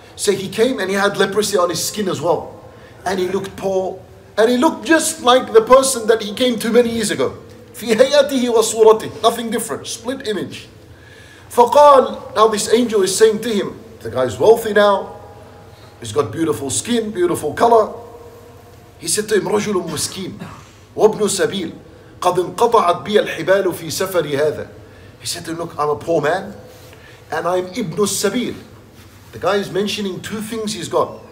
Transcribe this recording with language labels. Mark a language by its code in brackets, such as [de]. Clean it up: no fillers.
[en] So he came and he had leprosy on his skin as well. And he looked poor. And he looked just like the person that he came to many years ago. [ar] في هيئته وصورته. [en] Nothing different. Split image. فقال, now this angel is saying to him, the guy's wealthy now. He's got beautiful skin, beautiful color. He said to him, [ar] رجل مسكين وابن سبيل قد انقطعت بي الحبال في سفري هذا. [en] He said to him, look, I'm a poor man and I'm ابن السبيل. The guy is mentioning two things he's got.